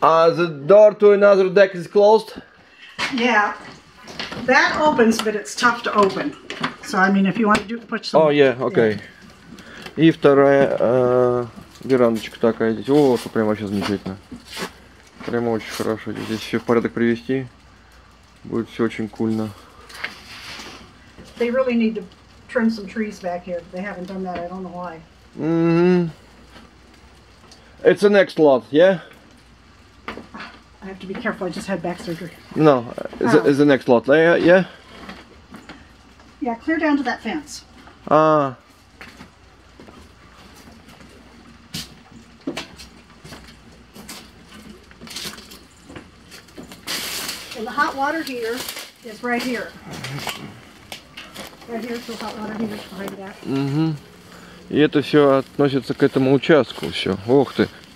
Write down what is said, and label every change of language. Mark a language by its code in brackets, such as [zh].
[en] The door to another deck is closed? Yeah. That opens, but it's tough to open. So, I mean, if you want to push some... Oh, yeah, okay. [ru] Yeah. И вторая верандочка такая здесь. О, это прямо вообще замечательно. Прямо очень хорошо. Здесь все в порядок привести. Будет все очень кульно. [en] They really need to trim some trees back here. They haven't done that. I don't know why. Mm-hmm. It's the next lot, yeah? I have to be careful, I just had back surgery. No, it's the next lot, yeah? Yeah, clear down to that fence. Ah. And the hot water heater is right here. Right here is the hot water heater behind that. Mm-hmm. [ru] И это все относится к этому участку, все. Ох ты.